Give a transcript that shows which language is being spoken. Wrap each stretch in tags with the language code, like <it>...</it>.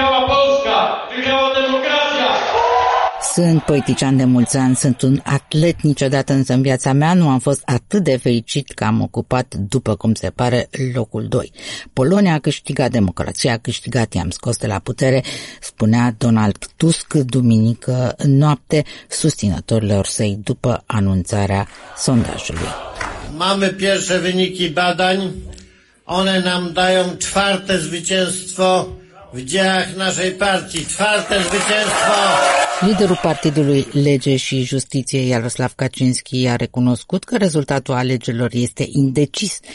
<pl>Polska, wygrała demokracja.</pl> <ro>Sunt poetician de mulți ani, sunt un atlet, niciodată însă în viața mea nu am fost atât de fericit că am ocupat, după cum se pare, locul 2. Polonia a câștigat, democrația a câștigat, i-am scos de la putere, spunea Donald Tusk duminică noapte susținătorilor săi după anunțarea sondajului.</ro> <pl>Mamy pierwsze wyniki badań. One nam dają czwarte zwycięstwo w dziejach naszej partii. Czwarte zwycięstwo!</pl> <ro>Liderul Partidului Lege și Justiție, Jaroslav Kaczynski, a recunoscut că rezultatul alegerilor este indecis.</ro>